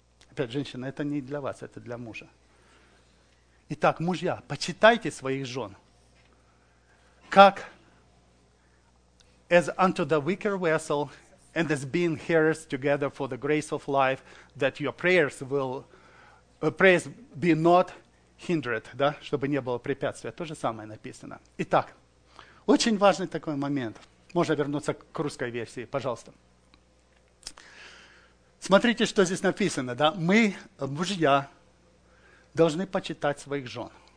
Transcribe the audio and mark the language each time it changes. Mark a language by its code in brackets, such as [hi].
[ru] Опять, женщина, это не для вас, это для мужа. Итак, мужья, почитайте своих жен. Как [en] as unto the weaker vessel, and as being heirs together for the grace of life, that your prayers will praise be not hindered, [ru] да? Чтобы не было препятствия. То же самое написано. Итак, очень важный такой момент. Можно вернуться к русской версии, пожалуйста. Смотрите, что здесь написано, да? Мы, мужья, должны почитать своих жен.